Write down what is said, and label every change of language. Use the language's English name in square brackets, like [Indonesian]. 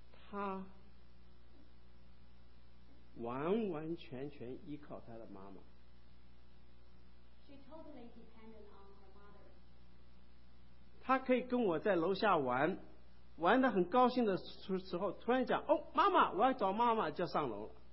[Chinese] 他完完全全依靠他的妈妈。 [English] She totally dependent on her mother. [Chinese] 他可以跟我在楼下玩。玩得很高兴的时候，突然讲，哦，妈妈，我要找妈妈，就上楼了。